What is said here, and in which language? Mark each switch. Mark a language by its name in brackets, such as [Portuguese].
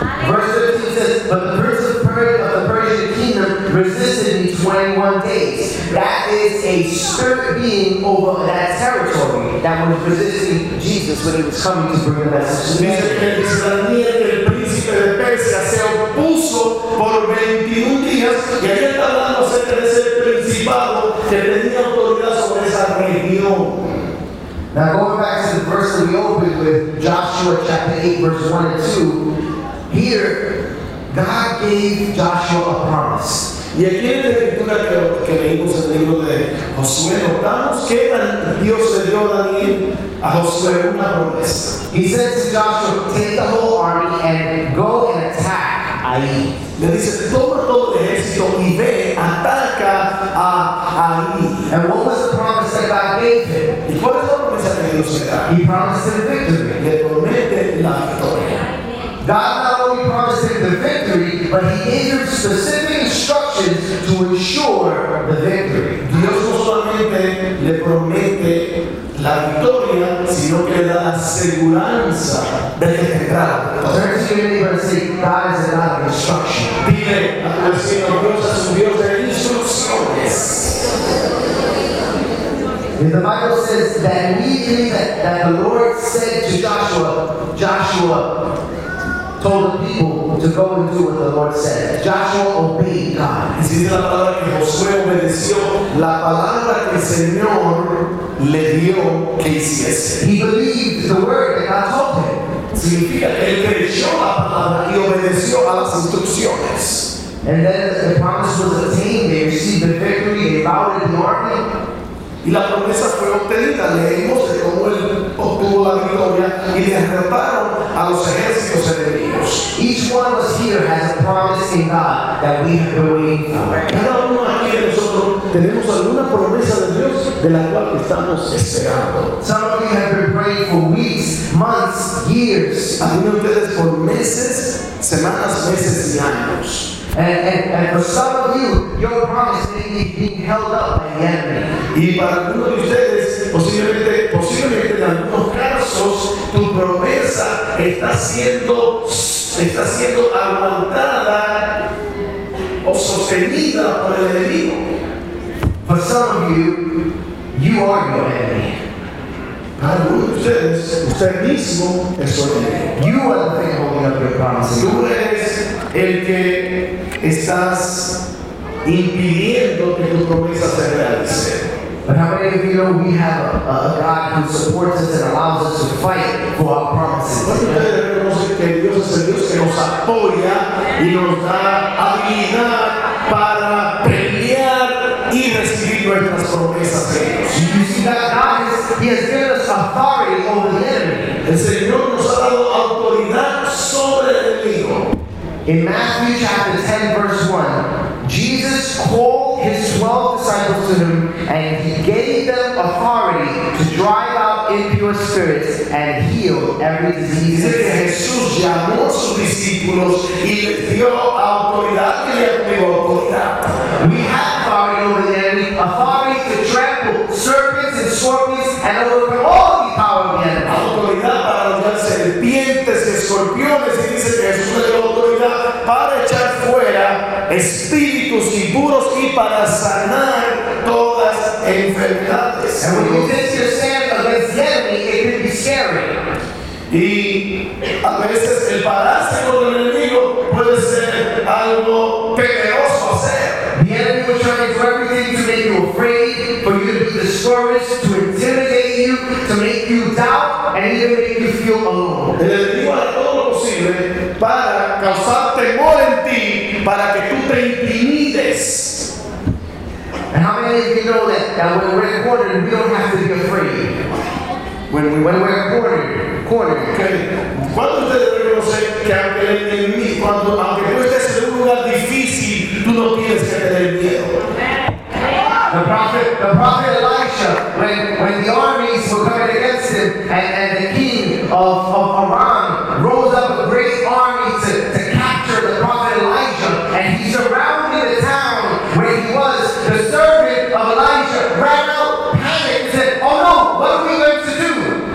[English] Verse 13 says, but the prince of the Persian kingdom resisted me 21 days. That is a spirit being over that territory that was resisting Jesus when he was coming to bring the message to me. [Spanish] Dice que Daniel, el príncipe de Persia, se opuso por 21 días. Y aquí está hablando acerca de ese principado que tenía autoridad sobre esa región. [English] Now, going back to the verse that we opened with, Joshua chapter 8, verse 1 and 2. Here, God gave Joshua a promise. [Spanish] Y aquí en la escritura que leímos en el libro de Josué, notamos que Dios le dio a Daniel a Josué una promesa. [English] He said to Joshua, take the whole army and go and attack Ai. [Spanish] Le dice, toma todo el ejército y ve, ataca a Ai. [English] And what was the promise that God gave him? [Spanish] ¿Y cuál es la promesa que Dios le da? [English] He promised him victory. [Spanish] Le promete la victoria. [English] God not only promised him the victory, but he gave him specific instructions to ensure the victory. [Spanish] Dios no solamente le promete la victoria, sino que le da la seguridad de que tendrá. [English] Turn to your neighbor and say, God is a God of instruction. [Spanish] Dile a tu vecino, Dios es un Dios de instrucciones. [English] And the Bible says that immediately that the Lord said to Joshua, Joshua told the people to go and do what the Lord said. Joshua obeyed God. [Spanish] Y si dice la palabra que Josué obedeció, la palabra que el Señor le dio que hiciese. [English] He believed the word that God told him. [Spanish] Significa que él creyó la palabra y obedeció a las instrucciones. [English] And then the promise was attained. They received the victory. They bowed in the army. [Spanish] Y la promesa fue obtenida. Leímos de cómo él obtuvo la victoria y derrotaron a los ejércitos enemigos. [English] Each one of us here has a promise in God that we have been waiting for. [Spanish] Cada uno aquí de nosotros tenemos alguna promesa de Dios de la cual estamos esperando. [English] Some of you have been praying for weeks, months, years. [Spanish] Algunos de ustedes por meses, semanas, meses y años. [English] And for some of you, your promise may be being held up by the enemy. [Spanish] Y para algunos de ustedes, posiblemente en algunos casos, tu promesa está siendo aguantada o sostenida por el enemigo. [English] For some of you, you are your enemy. [Spanish] Para algunos de ustedes, usted mismo es su enemigo. [English] You are the thing holding up your promise. [Spanish] Tú eres el que estás impidiendo que tu promesa se realice. [English] But how many of you know we have a God who supports us and allows us to fight for our promises? [Spanish] ¿Cuántos de ustedes reconocen que Dios es el Dios que nos apoya y nos da habilidad para pelear y recibir nuestras promesas de Dios? [English] Do you see that God has given us authority over the enemy? [Spanish] El Señor nos ha dado autoridad sobre el enemigo. [English] In Matthew chapter 10, verse 1, Jesus called his 12 disciples to him, and he gave them authority to drive out impure spirits and heal every disease. [Spanish] Dice que Jesús llamó a sus discípulos y les dio autoridad y les dio autoridad. [English] We have authority over the enemy, authority to trample serpents and scorpions and overcome all the power of the enemy. [Spanish] Autoridad para luchar serpientes, escorpiones, y dice que Jesús le dio autoridad para echar fuera espíritus impuros y para sanar todas enfermedades. [English] And when you think you stand against the enemy, it can be scary. [Spanish] Y a veces el parásito del enemigo puede ser algo peligroso hacer. [English] The enemy will try to do everything to make you afraid, for you to be discouraged, to intimidate you, to make you doubt, and even make you feel alone. [Spanish] El enemigo hará todo lo posible para causar temor en ti, para que tú te intimides. [English] And how many of you know that when we're cornered, we don't have to be afraid? When we're cornered. Okay. [Spanish] ¿Cuántos de ustedes reconocen que aunque el enemigo, aunque tú estés en un lugar difícil, tú no tienes que tener miedo? [English] The prophet Elisha, when the armies were coming against him, and the king of Aram rose up a great army to capture the prophet Elisha, and he surrounded the town where he was, the servant of Elisha ran out, panicked, and said, "Oh no, what are we going to do?"